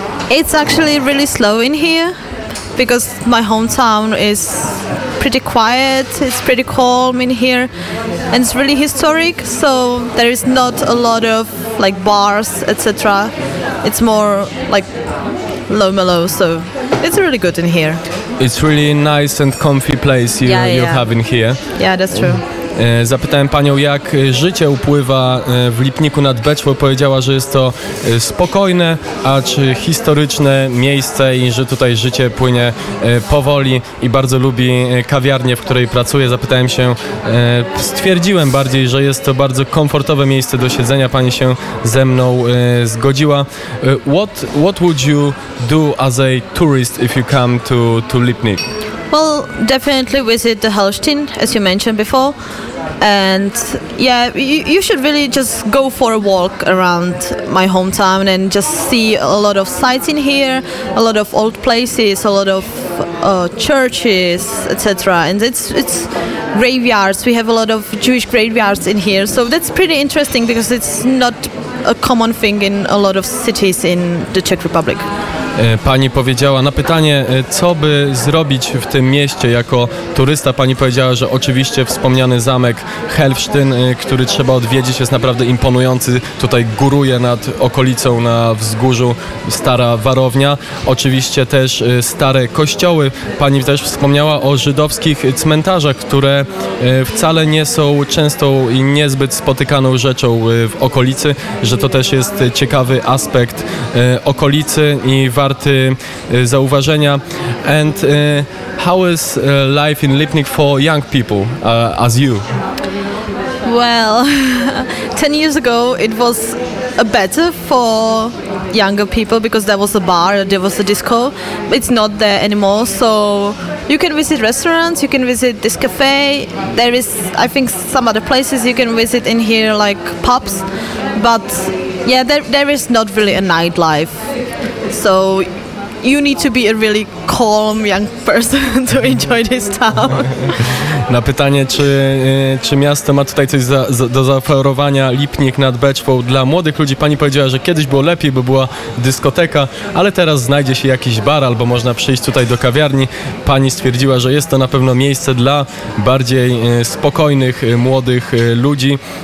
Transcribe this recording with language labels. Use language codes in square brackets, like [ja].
[en] It's actually really slow in here, because my hometown is pretty quiet, it's pretty calm in here, and it's really historic, so there is not a lot of like bars, etc. It's more like low mellow, so it's really good in here. It's really nice and comfy place you have in here. Yeah, that's true. [pl] Zapytałem panią, jak życie upływa w Lipniku nad Beczwą. Powiedziała, że jest to spokojne, acz historyczne miejsce i że tutaj życie płynie powoli i bardzo lubi kawiarnię, w której pracuje. Zapytałem się, stwierdziłem bardziej, że jest to bardzo komfortowe miejsce do siedzenia. Pani się ze mną zgodziła. [en] What would you do as a tourist if you come to Lipnik? Well, definitely visit the Helfsztyn, as you mentioned before. And yeah, you should really just go for a walk around my hometown and just see a lot of sights in here, a lot of old places, a lot of churches, etc. And it's graveyards. We have a lot of Jewish graveyards in here. So that's pretty interesting because it's not a common thing in a lot of cities in the Czech Republic. [pl] Pani powiedziała na pytanie, co by zrobić w tym mieście jako turysta. Pani powiedziała, że oczywiście wspomniany zamek Helfsztyn, który trzeba odwiedzić, jest naprawdę imponujący. Tutaj góruje nad okolicą na wzgórzu stara warownia. Oczywiście też stare kościoły. Pani też wspomniała o żydowskich cmentarzach, które wcale nie są częstą i niezbyt spotykaną rzeczą w okolicy, że to też jest ciekawy aspekt okolicy i warty zauważenia. [en] And how is life in Lipnik for young people as you? Well, 10 years ago it was better for younger people because there was a bar, there was a disco. It's not there anymore, so you can visit restaurants, you can visit this cafe. There is, I think, some other places you can visit in here, like pubs. But yeah, there is not really a nightlife. So you need to be a really calm young person to enjoy this town. [pl] Na pytanie, czy miasto ma tutaj coś do zaoferowania, Lipnik nad Beczwą dla młodych ludzi, pani powiedziała, że kiedyś było lepiej, bo była dyskoteka, ale teraz znajdzie się jakiś bar albo można przyjść tutaj do kawiarni. Pani stwierdziła, że jest to na pewno miejsce dla bardziej spokojnych, młodych ludzi.